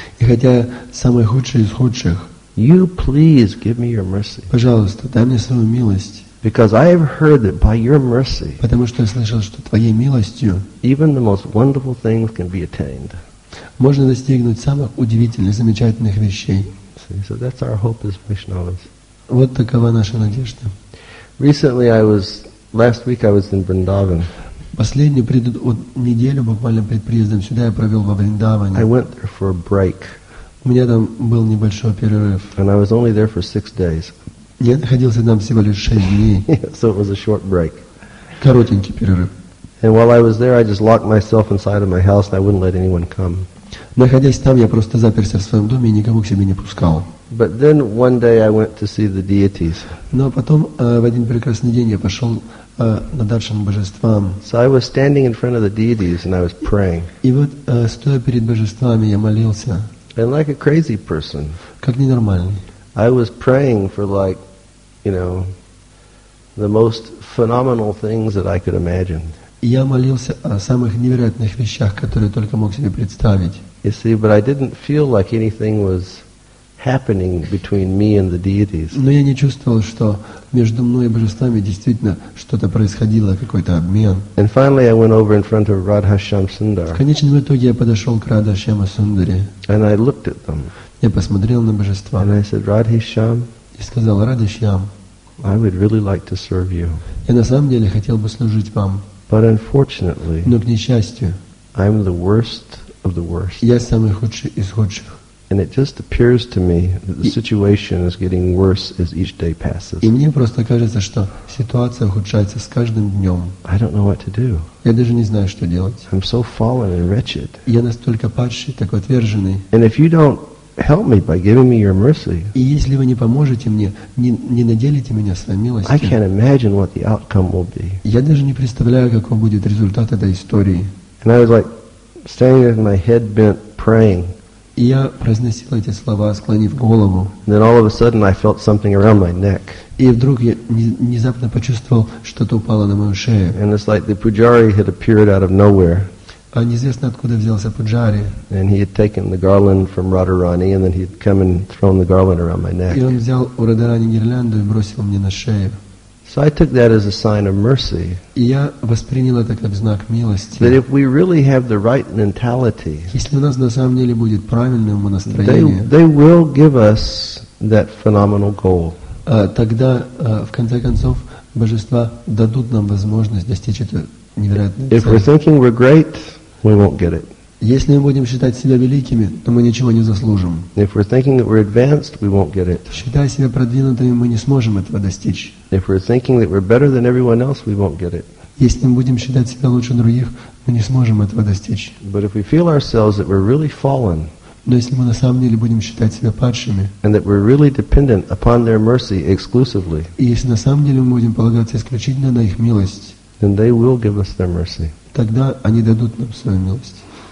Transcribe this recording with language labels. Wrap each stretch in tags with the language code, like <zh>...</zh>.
<ru>И хотя я самый худший из худших.</ru> <en>You please give me your mercy.</en> <ru>Пожалуйста, дай мне свою милость.</ru> <en>Because I have heard that by your mercy.</en> <ru>Потому что я слышал, что твоей милостью.</ru> <en>Even the most wonderful things can be attained.</en> <ru>Можно достигнуть самых удивительных, замечательных вещей.</ru> <en>See, so that's our hope as Vaishnavas.</en> <ru>Вот такова наша надежда.</ru> <en>Recently I was last week I was in Vrindavan.</en> <ru>Последнюю неделю буквально перед приездом сюда я провел во Вриндаване.</ru> <en>I went there for a break.</en> <ru>У меня там был небольшой перерыв.</ru> <en>And I was only there for 6 days.</en> <ru>Я находился там всего лишь 6 дней.</ru> <en>So it was a short break.</en> <ru>Коротенький перерыв.</ru> <en>And while I was there, I just locked myself inside of my house and I wouldn't let anyone come.</en> <ru>Находясь там, я просто заперся в своем доме и никого к себе не пускал.</ru> <en>But then one day I went to see the deities.</en> <ru>Но потом в один прекрасный день я пошел на даршан божествам.</ru> <en>So I was standing in front of the deities and I was praying.</en> <ru>И вот стоя перед божествами, я молился.</ru> <en>And like a crazy person,</en> <ru>как ненормальный.</ru> <en>I was praying for like, you know, the most phenomenal things that I could imagine.</en> <ru>Я молился о самых невероятных вещах, которые только мог себе представить.</ru> <en>You see, but I didn't feel like anything was happening between me and the deities.</en> <ru>Но я не чувствовал, что между мной и божествами действительно что-то происходило, какой-то обмен.</ru> <en>And finally I went over in front of Radha Shyamasundara.</en> <ru>В конечном итоге я подошел к Радха Шьямасундаре.</ru> <en>And I looked at them.</en> <ru>Я посмотрел на божества.</ru> <en>And I said, Radha Shyam.</en> <ru>И сказал, Радха Шьям.</ru> <en>I would really like to serve you.</en> <ru>Я на самом деле хотел бы служить вам.</ru> <en>But unfortunately,</en> <ru>но к несчастью,</ru> <en>I'm the worst of the worst.</en> <ru>Я самый худший из худших.</ru> <en>And it just appears to me that the situation is getting worse as each day passes.</en> <ru>И мне просто кажется, что ситуация ухудшается с каждым днем.</ru> <en>I don't know what to do.</en> <ru>Я даже не знаю, что делать.</ru> <en>I'm so fallen and wretched.</en> <ru>Я настолько падший, так отверженный.</ru> <en>And if you don't help me by giving me your mercy,</en> <ru>и если вы не поможете мне, не наделите меня своей милостью,</ru> <en>I can't imagine what the outcome will be.</en> <ru>Я даже не представляю, каков будет результат этой истории.</ru> <en>And I was like standing with my head bent, praying.</en> <ru>И я произносил эти слова, склонив голову.</ru> <en>Then all of a sudden I felt something around my neck.</en> <ru>И вдруг я внезапно почувствовал, что-то упало на мою шею.</ru> <en>And it's like the pujari had appeared out of nowhere.</en> <ru>А неизвестно откуда взялся пуджари.</ru> <en>And he had taken the garland from Radharani and then he had come and thrown the garland around my neck.</en> <ru>И он взял у Радарани гирлянду и бросил мне на шею.</ru> <en>So I took that as a sign of mercy.</en> <ru>И я воспринял это как знак милости.</ru> <en>That if we really have the right mentality,</en> <ru>если у нас на самом деле будет правильное умонастроение,</ru> <en>they will give us that phenomenal goal.</en> <ru>Тогда в конце концов божества дадут нам возможность достичь этого невероятного.</ru> <en>If we're thinking we're great, we won't get it.</en> <ru>Если мы будем считать себя великими, то мы ничего не заслужим.</ru> <en>If we're thinking that we're advanced, we won't get it.</en> <ru>Считая себя продвинутыми, мы не сможем этого достичь.</ru> <en>If we're thinking that we're better than everyone else, we won't get it.</en> <ru>Если мы будем считать себя лучше других, мы не сможем этого достичь.</ru> <en>But if we feel ourselves that we're really fallen,</en> <ru>но если мы на самом деле будем считать себя падшими,</ru> <en>and that we're really dependent upon their mercy exclusively,</en> <ru>и если на самом деле мы будем полагаться исключительно на их милость,</ru> <en>then they will give us their mercy.</en> <ru>Тогда они дадут нам свою милость.</ru>